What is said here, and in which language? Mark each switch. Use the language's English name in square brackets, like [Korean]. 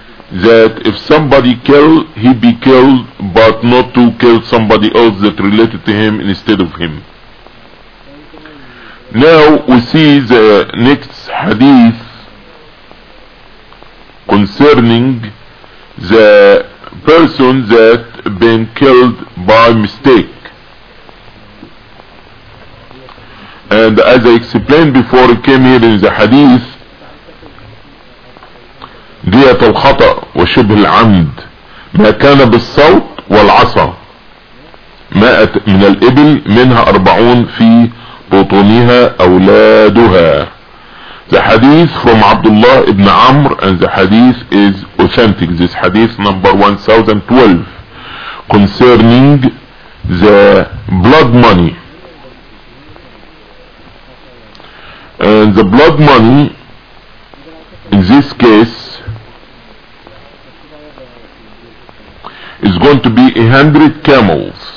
[English] That if somebody kill, he be killed, but not to kill somebody else that related to him instead of him. Now we see the next hadith concerning the person that been killed by mistake. And as I explained before, it came here in the hadith, [Arabic] دية الخطأ وشبه العمد ما كان بالصوت والعصا مائة من الإبل منها أربعون في بطونها أولادها. [English] The hadith from Abdullah ibn Amr, and the hadith is authentic. This hadith number 1012 concerning the blood money. And the blood money in this case is going to be 100 camels.